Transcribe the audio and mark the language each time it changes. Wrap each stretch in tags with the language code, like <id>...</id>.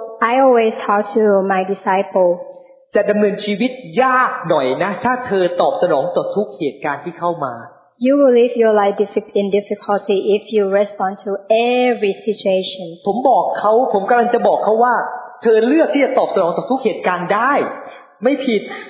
<en>I always talk to my disciple.</en> <th>จะดำเนินชีวิตยากหน่อยนะถ้าเธอตอบสนองต่อทุกเหตุการณ์ที่เข้ามา</th> <en>You will live your life in difficulty if you respond to every situation</en> <th>ผมบอกเขาผมกำลังจะบอกเขาว่าเธอเลือกที่จะตอบสนองต่อทุกเหตุการณ์ได้ไม่ผิด</th>